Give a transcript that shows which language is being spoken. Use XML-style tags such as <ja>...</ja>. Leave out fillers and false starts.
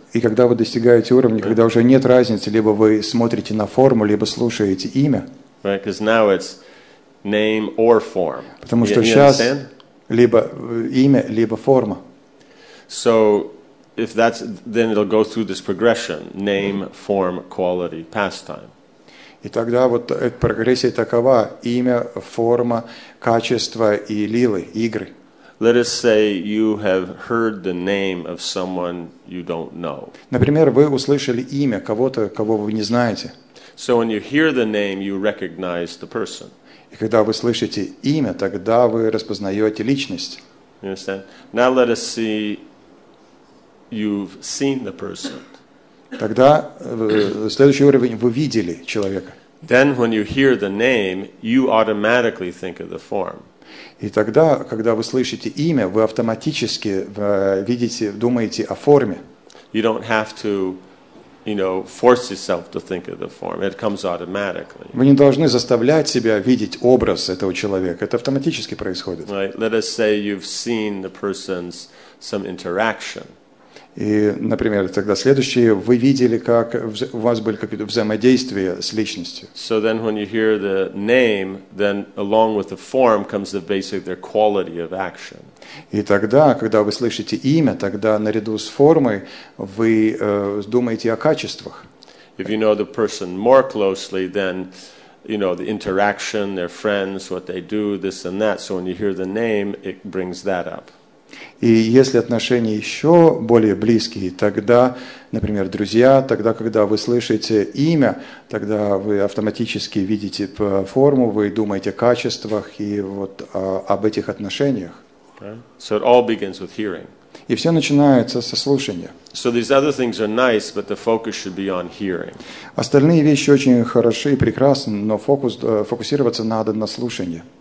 <ru>И когда вы достигаете уровня, когда уже нет разницы, либо вы смотрите на форму, либо слушаете имя.</ru> <en>Right, because now it's name or form.</en> <ru>Потому что сейчас либо имя, либо форма.</ru> <en>So if that's, then it'll go through this progression: name, form, quality, pastime.</en> <ru>И тогда вот эта прогрессия такова: имя, форма, качество и лилы, игры.</ru> <en>Let us say you have heard the name of someone you don't know.</en> <ru>Например, вы услышали имя кого-то, кого вы не знаете.</ru> <en>So when you hear the name, you recognize the person.</en> <ru>И когда вы слышите имя, тогда вы распознаете личность.</ru> <en>You understand? Now let us see. You've seen the person.</en> <ru>Тогда следующий уровень, вы видели человека.</ru> <en>Then when you hear the name, you automatically think of the form.</en> <ru>И тогда, когда вы слышите имя, вы автоматически видите, думаете о форме.</ru> <en>You don't have to, you know, force yourself to think of the form. It comes automatically.</en> <ru>Вы не должны заставлять себя видеть образ этого человека. Это автоматически происходит.</ru> <en>Right. Let us say you've seen the person's some interaction.</en> <ru>И, например, тогда следующее, вы видели, как у вас были какие-то взаимодействия с личностью.</ru> <en>So then when you hear the name, then along with the form comes the basic, their quality of action.</en> <ru>И тогда, когда вы слышите имя, тогда наряду с формой вы думаете о качествах.</ru> <en>If you know the person more closely, then you know the interaction, their friends, what they do, this and that. So when you hear the name, it brings that up.</en> <ru>И если отношения еще более близкие, тогда, например, друзья, тогда, когда вы слышите имя, тогда вы автоматически видите форму, вы думаете о качествах и вот об этих отношениях.</ru> <en>Okay. So it all begins with hearing.</en> <ru>И все начинается со слушания.</ru> <en>So these other things are nice, but the focus should be on hearing.</en> <ru>Остальные вещи очень хороши и прекрасны, но фокусироваться надо на слушании.</ru>